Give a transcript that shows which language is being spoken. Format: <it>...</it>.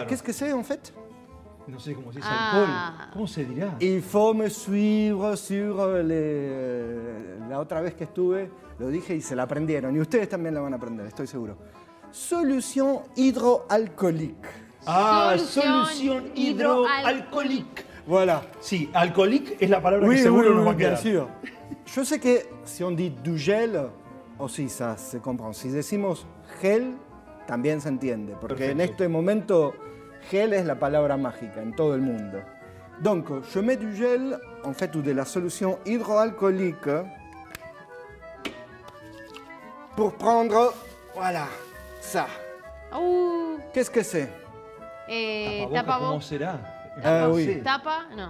<fr>Ah, qu'est-ce que c'est en fait? Non, c'est comment c'est l'alcool. Comment se dira? Il faut me suivre sur les.</fr> <es>La otra vez que estuve, lo dije y se la aprendieron. Y ustedes también la van a aprender, estoy seguro.</es> <fr>Solution hydroalcoolique. Ah, solution hydroalcoolique. Voilà. Si, alcoolique est la parole que seguro nous va quedar. Bien sûr. Je sais que si on dit du gel, aussi ça se comprend.</fr> <es>Si decimos gel, también se entiende. Porque Perfecto. En este momento, gel est la palabra mágica en todo el mundo.</es> <fr>Donc, je mets du gel, en fait, ou de la solution hydroalcoolique pour prendre. Voilà. Ça. Qu'est-ce que c'est?</fr> <es>Tapa-boca,</es> <fr>comment c'est là? Oui.</fr> <es>Tapa?</es>